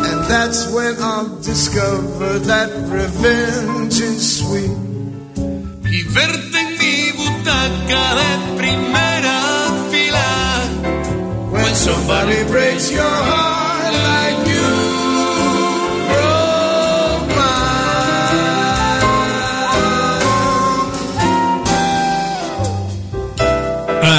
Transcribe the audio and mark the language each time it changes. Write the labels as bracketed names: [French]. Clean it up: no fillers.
[English] That's when I'll discover that revenge is sweet. [Spanish] Y verte en mi butaca de primera fila. [English] When somebody breaks your heart like you broke mine.